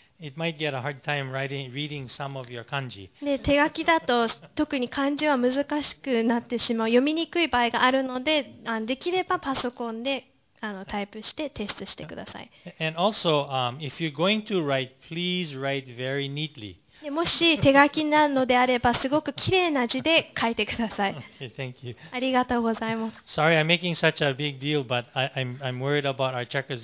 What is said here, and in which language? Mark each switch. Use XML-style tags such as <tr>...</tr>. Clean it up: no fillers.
<en>It might get a hard time writing, reading some of your kanji.</en> <ja>で、手書きだと特に漢字は難しくなってしまう、読みにくい場合があるので、できればパソコンであのタイプしてテストしてください。</ja> <en>And also, if you're going to write, please write very neatly.</en> <ja>もし手書きなのであればすごく綺麗な字で書いてください。</ja> <en>Okay, thank you.</en> <ja>ありがとうございます。</ja> <en>Sorry, I'm making such a big deal, but I'm worried about our checkers.</en>